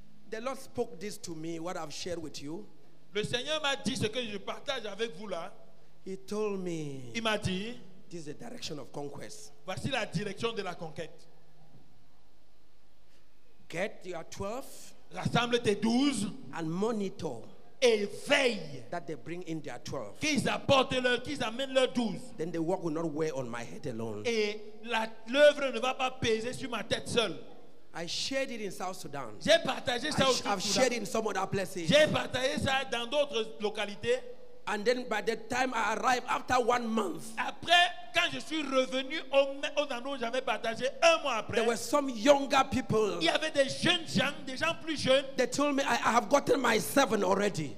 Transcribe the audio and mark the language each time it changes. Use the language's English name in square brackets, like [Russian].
[English] The Lord spoke this to me, what I've shared with you. [French] Le Seigneur m'a dit ce que je partage avec vous là. [English] He told me, [French] il m'a dit, [English] this is the direction of conquest. [French] Voici la direction de la conquête. [English] Get your 12. [French] Rassemble tes 12. [English] And monitor. [French] Et veille. [English] That they bring in their 12. [French] Qu'ils apportent leur, qu'ils amènent leurs 12. [English] Then the work will not weigh on my head alone. [French] Et la, l'œuvre ne va pas peser sur ma tête seule. [English] I shared it in South Sudan. [French] J'ai partagé ça aussi. [English] I've shared it in some other places. [French] J'ai partagé ça dans d'autres localités. [English] And then by the time I arrive after 1 month. [French] Après, quand je suis revenu au endroit où j'avais partagé un mois après. [English] There were some younger people. [French] Il y avait des jeunes gens, des gens plus jeunes. [English] They told me I have gotten my 7 already.